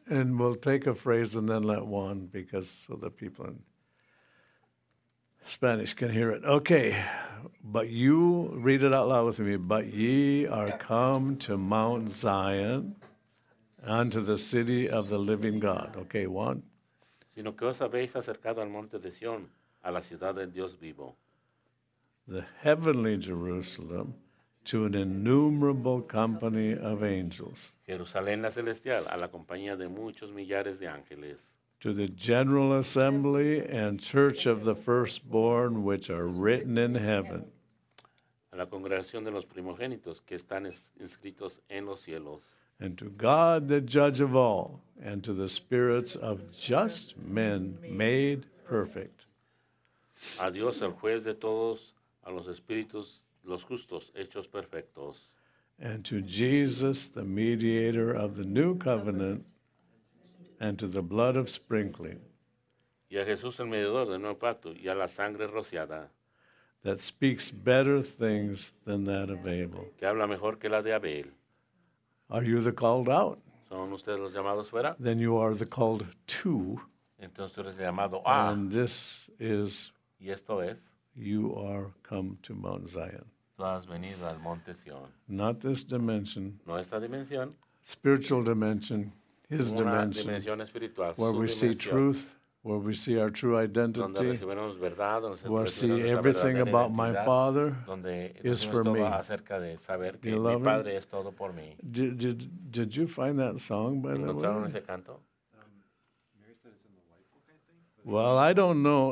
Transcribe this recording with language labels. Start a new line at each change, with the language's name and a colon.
English: And we'll take a phrase and then let Juan because so the people in Spanish can hear it. Okay, but you read it out loud with me. But ye are come to Mount Zion, unto the city of the living God. Okay, Juan.
Spanish: Sino que os habéis acercado al monte de Sion, a la ciudad del Dios vivo.
English: The heavenly Jerusalem, to an innumerable company of angels.
Spanish: Jerusalén la celestial, a la compañía de muchos millares de ángeles.
English: To the general assembly and church of the firstborn, which are written in heaven.
Spanish: A la congregación de los primogénitos que están inscritos en los cielos.
English: And to God, the judge of all, and to the spirits of just men made perfect.
Spanish: A Dios, el juez de todos, a los espíritus, los justos, hechos perfectos.
English: And to Jesus, the mediator of the new covenant, and to the blood of sprinkling.
Spanish: Y a Jesús el mediador del nuevo pacto y a la sangre rociada.
English: That speaks better things than that of Abel.
Spanish: Que habla mejor que la de Abel.
English: Are you the called out?
Spanish: ¿Son ustedes los llamados fuera?
English: Then you are the called to.
Spanish: Entonces tú eres el llamado a.
English: And this is.
Spanish: Y esto es.
English: You are come to Mount Zion.
Spanish: Tú has venido al monte Sion.
English: Not this dimension.
Spanish: No esta dimensión.
English: Spiritual dimension. His
Spanish: una
English: dimension,
Spanish: dimensión espiritual,
English: where
Spanish: su
English: we
Spanish: dimensión,
English: see truth, where we see our true identity,
Spanish: donde recibimos verdad, donde
English: where see everything about my Father
Spanish: donde
English: is for me.
Spanish: De saber que beloved, mi padre es todo por mí.
English: Did you find that song, by the way?
Spanish: Ese canto?
English: Mary said it's in the white book, I think. Well, I don't know.